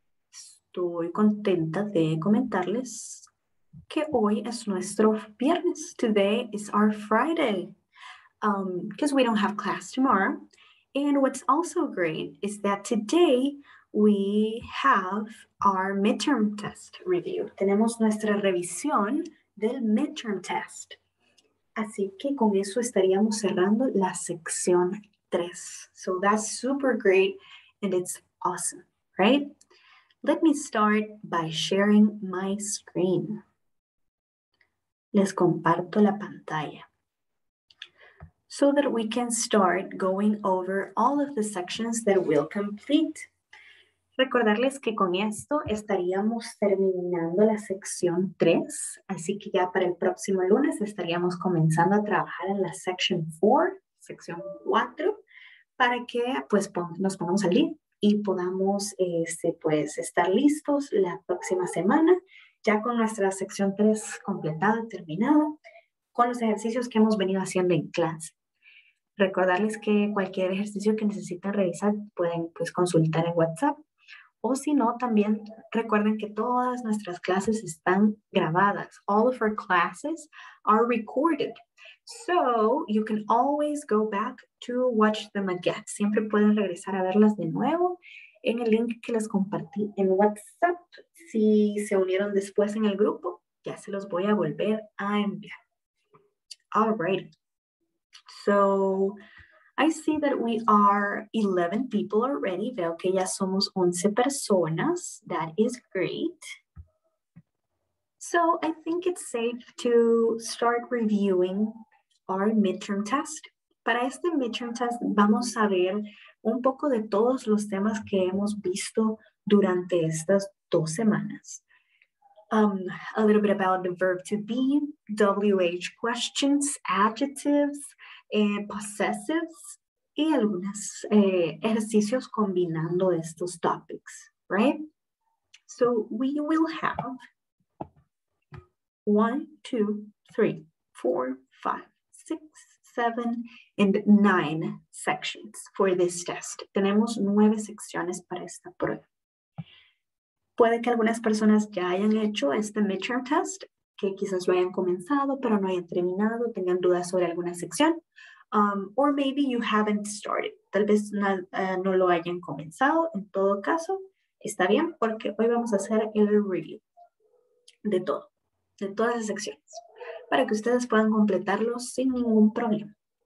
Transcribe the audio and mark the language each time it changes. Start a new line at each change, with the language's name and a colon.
Spanish: Estoy contenta de comentarles que hoy es nuestro viernes.
English: Today is our Friday. Because we don't have class tomorrow. And what's also great is that today we have our midterm test review.
Spanish: Tenemos nuestra revisión del midterm test. Así que con eso estaríamos cerrando la sección.
English: So that's super great and it's awesome, right? Let me start by sharing my screen.
Spanish: Les comparto la pantalla.
English: So that we can start going over all of the sections that we'll complete.
Spanish: Recordarles que con esto estaríamos terminando la sección 3, así que ya para el próximo lunes estaríamos comenzando a trabajar en la section 4, sección 4. Para que pues nos pongamos al día y podamos pues estar listos la próxima semana ya con nuestra sección 3 completada, terminada, con los ejercicios que hemos venido haciendo en clase. Recordarles que cualquier ejercicio que necesiten revisar pueden pues consultar en WhatsApp o si no, también recuerden que todas nuestras clases están grabadas.
English: All of our classes are recorded. So, you can always go back to watch them again.
Spanish: Siempre pueden regresar a verlas de nuevo en el link que les compartí en WhatsApp. Si se unieron después en el grupo, ya se los voy a volver a enviar.
English: All right. So, I see that we are 11 people already.
Spanish: Veo que ya somos 11 personas.
English: That is great. So, I think it's safe to start reviewing our midterm test.
Spanish: Para este midterm test vamos a ver un poco de todos los temas que hemos visto durante estas dos semanas.
English: A little bit about the verb to be, WH questions, adjectives, possessives,
Spanish: y algunos ejercicios combinando estos
English: topics, right? So we will have 1, 2, 3, 4, 5, 6, 7, and 9 sections for this test.
Spanish: Tenemos 9 secciones para esta prueba. Puede que algunas personas ya hayan hecho este midterm test, que quizás lo hayan comenzado, pero no hayan terminado, tengan dudas sobre alguna sección.
English: Or maybe you haven't started.
Spanish: Tal vez no lo hayan comenzado. En todo caso, está bien, porque hoy vamos a hacer el review de todo, de todas las secciones, para que ustedes puedan completarlo sin ningún problema.